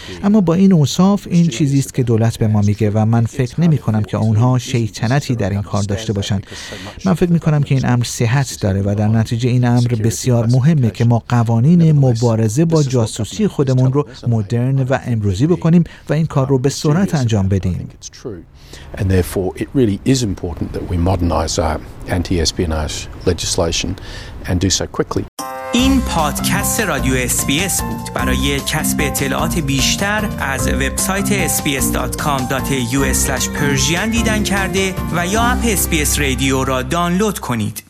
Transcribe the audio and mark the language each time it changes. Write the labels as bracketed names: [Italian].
[Persian] اما با این اوصاف این چیزی است که دولت به ما میگه و من فکر نمی‌کنم که اونها شیطنتی در این کار داشته باشند. من فکر می‌کنم که این امر صحت داره و در نتیجه این امر بسیار مهمه که ما قوانین مبارزه با جاسوسی خودمون رو مدرن و امروزی بکنیم و این کار رو به سرعت انجام بدیم. [English] And therefore it really is important that we modernize our anti-espionage legislation and do so quickly. [Persian] این پادکست رادیو SBS بود. برای کسب اطلاعات بیشتر از وبسایت sbs.com.au/persian دیدن کرده و یا اپ SBS رادیو را دانلود کنید.